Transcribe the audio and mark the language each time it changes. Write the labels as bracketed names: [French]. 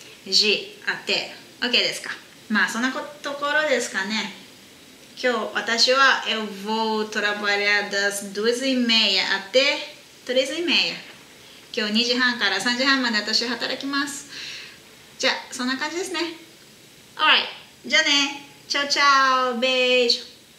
[Japanese] じ、あて、OK ですか。まあそんなところですかね。今日私は [Portuguese] Eu vou trabalhar das 2:30 até 3:30。 [Japanese] 今日2時半から3時半まで私は働きます。じゃあそんな感じですね。 Alright、 じゃあね、チャオチャオ、ベージュ。